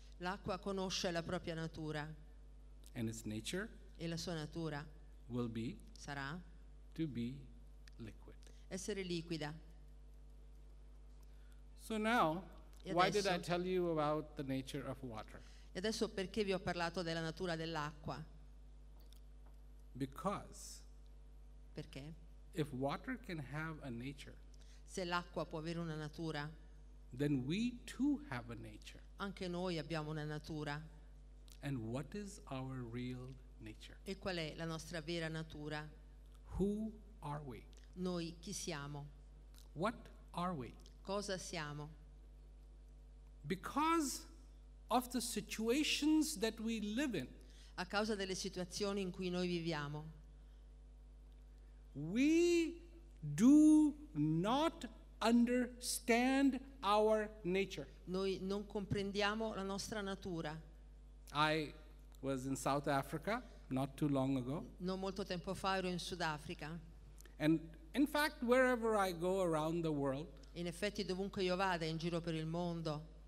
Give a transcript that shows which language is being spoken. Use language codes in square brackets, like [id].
[it] L'acqua conosce la propria natura. [en] And its nature, [it] e la sua natura, [en] will be, [it] sarà, [en] to be liquid. [it] Essere liquida. [en] So now, why did I tell you about the nature of water? [it] E adesso perché vi ho parlato della natura dell'acqua? [en] Because, [it] perché? [en] If water can have a nature, [it] se l'acqua può avere una natura, [en] then we too have a nature. [it] Anche noi abbiamo una natura. [en] And what is our real nature? [it] E qual è la nostra vera natura? [en] Who are we? [it] Noi chi siamo? [en] What are we? [it] Cosa siamo? [en] Because of the situations that we live in, [it] a causa delle situazioni in cui noi viviamo, [en] we do not understand our nature. [it] Noi non comprendiamo la nostra natura. [en] I was in South Africa not too long ago. [it] Non molto tempo fa ero in Sudafrica. [en] And in fact, wherever I go around the world, [it] in effetti dovunque io vada in giro per il mondo,